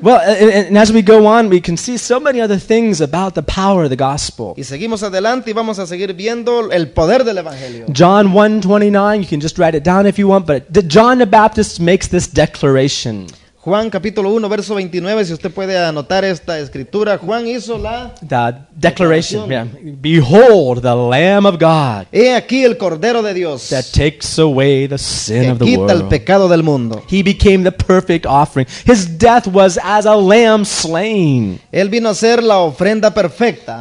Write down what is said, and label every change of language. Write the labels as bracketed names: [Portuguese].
[English] Well, and as we go on, we can see so many other things about the power of the gospel. [Spanish] Y seguimos adelante y vamos a seguir viendo el poder del evangelio. [English] John 1:29, you can just write it down if you want, but John the Baptist makes this declaration. [Spanish] Juan capítulo 1 verso 29, si usted puede anotar esta escritura, Juan hizo la [English] declaración. Yeah. Behold the Lamb of God. [Spanish] He aquí el Cordero de Dios. [English] That takes away the sin of the world. [Spanish] Que quita el pecado del mundo. [English] He became the perfect offering. His death was as a lamb slain. [Spanish] Él vino a ser la ofrenda perfecta.